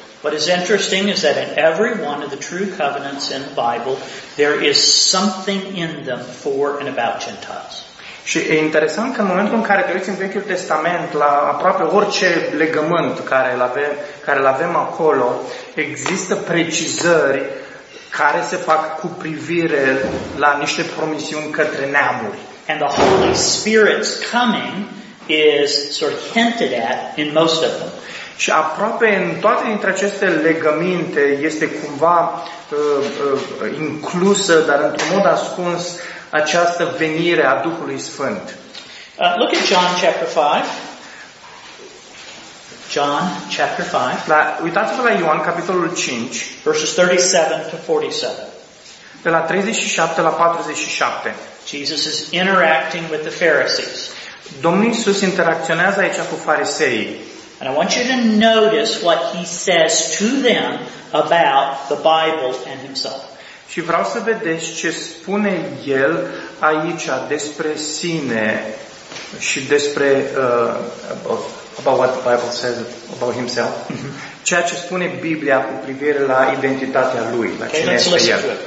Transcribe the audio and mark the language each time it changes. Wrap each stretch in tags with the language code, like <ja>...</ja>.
<en>What is interesting is that in every one of the true covenants in the Bible, there is something in them for and about Gentiles.</en> <ro>Și e interesant că în momentul în care te uiți în Vechiul Testament, la aproape orice legământ care îl avem acolo, există precizări care se fac cu privire la niște promisiuni către neamuri.</ro> <en>And the Holy Spirit's coming is sort of hinted at in most of them.</en> <ro>Și aproape în toate dintre aceste legăminte este cumva inclusă, dar într-un mod ascuns, această venire a Duhului Sfânt.</ro> <en>Look at John chapter 5. John chapter 5.</en> <ro>La, uitați-vă la Ioan capitolul 5,</ro> <en>verses 37 to 47.</en> <ro>De la 37 la 47.</ro> <en>Jesus is interacting with the Pharisees.</en> <ro>Domnul Iisus interacționează aici cu fariseii.</ro> <en>And I want you to notice what he says to them about the Bible and himself.</en> <ro>Și vreau să vedeți ce spune el aici despre sine și despre</ro> <en>about what the Bible says about himself.</en> <ro>Ceea ce spune Biblia cu privire la identitatea lui, la cine este el.</ro>